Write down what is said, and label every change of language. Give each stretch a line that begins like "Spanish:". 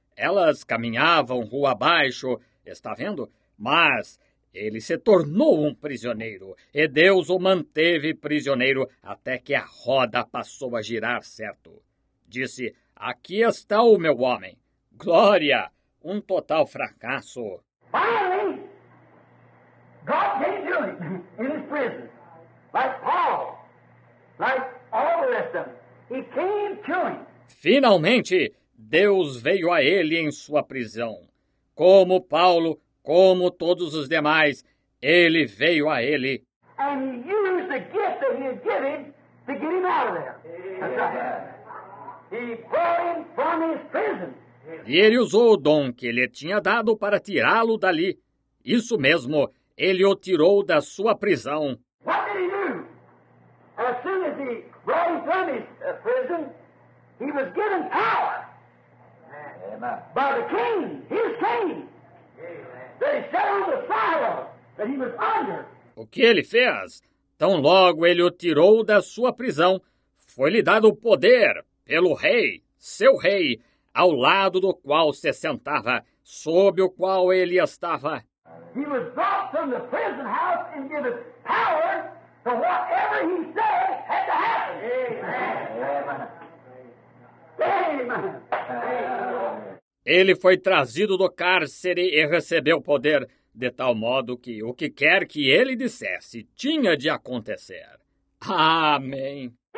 Portuguese: Elas caminhavam rua abaixo, está vendo? Mas ele se tornou um prisioneiro e Deus o manteve prisioneiro até que a roda passou a girar certo. Disse, aqui está o meu homem. Glória! Um total fracasso.
English: Finally, God can do it in his prison. Like Paul, like all the rest of them. He came to him.
Portuguese: Finalmente, Deus veio a ele em sua prisão. Como Paulo, como todos os demais, ele veio a ele.
English: And he used the gift that he had given to get him out of there. That's right. He brought him from his prison.
Portuguese: E ele usou o dom que ele tinha dado para tirá-lo dali. Isso mesmo, ele o tirou da sua prisão.
English: What did he do? As soon as he brought him from his prison, he was given power. Amen. By the king, his king. that he settled the fire that he was under.
Portuguese: O que ele fez? Tão logo ele o tirou da sua prisão, foi-lhe dado o poder pelo rei, seu rei, ao lado do qual se sentava, sob o qual ele estava.
English: He was brought from the prison house and given power to whatever he said had to happen. Amen. Amen.
Portuguese: Ele foi trazido do cárcere e recebeu poder, de tal modo que o que quer que ele dissesse tinha de acontecer. Amém.